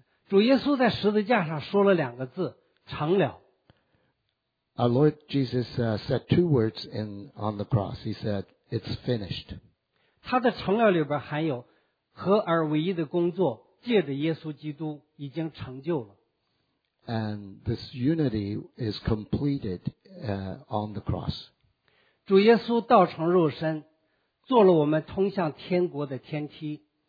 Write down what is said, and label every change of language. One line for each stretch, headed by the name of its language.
Chinese: 主耶稣在十字架上说了两个字，成了。
English: Our Lord Jesus said two words on the cross. He said, "It's finished."
Chinese: 他的成了里边含有合而为一的工作，借着耶稣基督已经成就了。
English: And this unity is completed on the cross.
Chinese: 主耶稣道成肉身，做了我们通向天国的天梯。